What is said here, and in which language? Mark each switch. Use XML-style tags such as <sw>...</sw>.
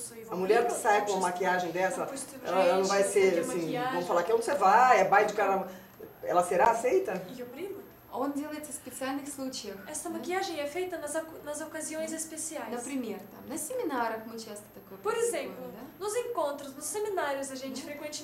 <pt>A mulher que sai com uma maquiagem dessa, ela não vai ser assim, vão falar que onde você vai, é baile de caramba. Ela será aceita?</pt> <ru>Он делается в специальных случаях.</ru> <pt>Esta maquiagem é feita nas ocasiões especiais.</pt> <ru>Например, там, на семинарах мы часто такое</ru> <pt>Por exemplo, nos encontros, nos seminários a gente frequentemente</pt>